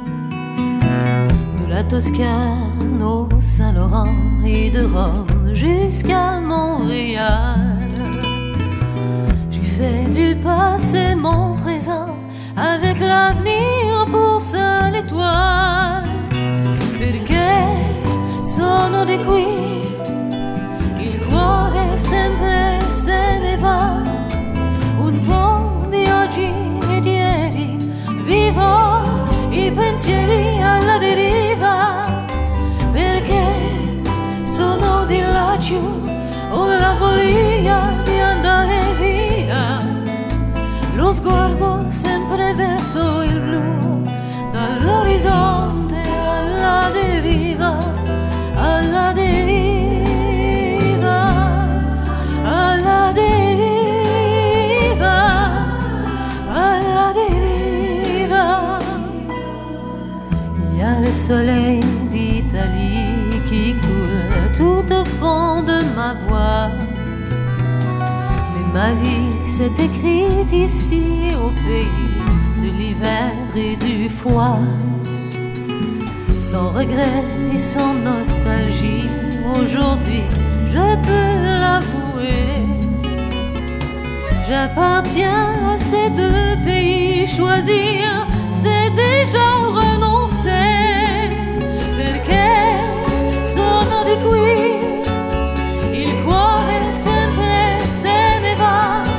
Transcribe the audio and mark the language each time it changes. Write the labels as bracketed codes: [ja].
[fr] De la Toscane au Saint-Laurent et de Rome jusqu'à Montréal, j'ai fait du passé mon présent avec l'avenir pour seule étoile. [it] Perché sono di qui, il cuore sempre se ne va, un po' di oggi e di ieri, vivo i pensieri alla deriva. Perché sono di laggiù, ho la voglia di andare via, lo sguardo sempre verso il blu, dall'orizzonte alla deriva, alla deriva, alla deriva, alla deriva. [fr] Il y a le soleil d'Italie qui coule tout au fond de ma voix, mais ma vie s'est écrite ici au pays de l'hiver et du froid. Sans regret et sans nostalgie, aujourd'hui je peux l'avouer, j'appartiens à ces deux pays. Choisir, c'est déjà renoncer. [it] Perché sono di qui, il cuore sempre se ne va.